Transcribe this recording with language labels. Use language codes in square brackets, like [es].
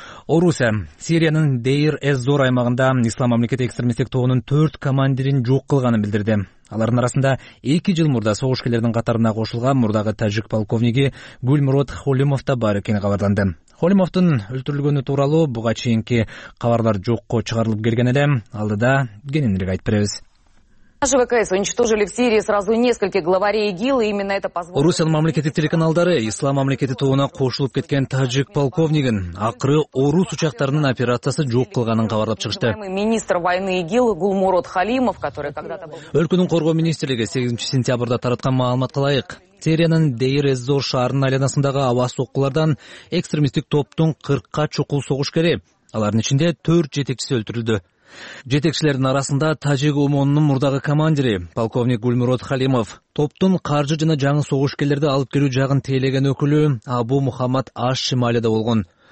[ky] Орусия Сириянын Дейр эз-Зор аймагында Ислам мамлекети экстремисттик тобунун 4 командирин жок кылганын билдирди. Алардын арасында 2 жыл мурда согушкерлердин катарына кошулган мурдагы тажик полковниги Гүлмурод Холимов да бар экени кабарданды. Холимовдун өлтүрүлгөнү тууралуу буга чейинки кабарлар жокко чыгарылып келген эле, алдыда кененирээк айтып беребиз. [ru] Наши ВКС уничтожили в Сирии сразу несколько главарей ИГИЛ, и именно это позволило... [ky] Орусиянын мамлекеттик телеканалдары Ислам мамлекети тобуна кошулуп кеткен тажик полковнигин акыры орус учактарынын операциясы жок кылганын кабарлап чыгышты. [ru] Министр войны ИГИЛ Гулмурод Халимов, который когда-то был... [ky] Өлкөнүн коргоо министрлиги 8 сентябрда тараткан маалыматка ылайык, Сириянын Дейр эз-Зор шаарынын айланасындагы аба соккулардан экстремисттик топтун 40 чукул согушкери, алардын ичинде 4 жетекчиси өлтүрүлдү. Жетекчилердин арасында тажик умонунун мурдагы командири полковник Гүлмурод Халимов, топтун каржы жана жаңы согушкерлерди алып келүү жагын тейлеген өкүлү Абу Мухаммад Аш Шималида болгон.